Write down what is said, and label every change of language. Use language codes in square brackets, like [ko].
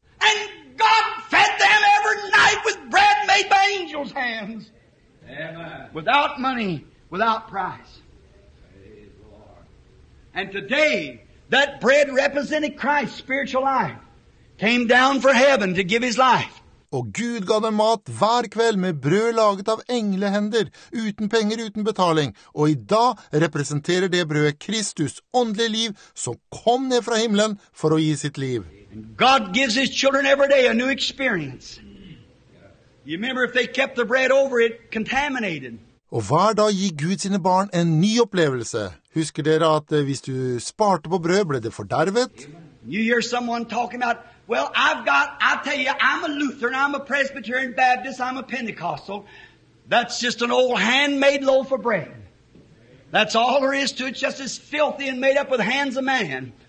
[en] And God fed them every night with bread made by angels' hands. Amen. Without money, without price. And today, that bread represented Christ, spiritual life. Came down for heaven to give his life. [no] Og Gud ga dem mat hver kveld med brød laget av englehender, uten penger, uten betaling. Og I dag representerer det brødet Kristus, åndelig liv, som kom ned fra himmelen for å gi sitt liv. [en] God gives his children every day a new experience. You remember if they kept the bread over it contaminated. [no] Og hver dag gir Gud sine barn en ny opplevelse. Husker dere at hvis du sparte på brød, ble det fordervet? [en] You hear someone talking about, well, I'll tell you, I'm a Lutheran, I'm a Presbyterian Baptist, I'm a Pentecostal. That's just an old handmade loaf of bread. That's all there is to it, just as filthy and made up with hands of man.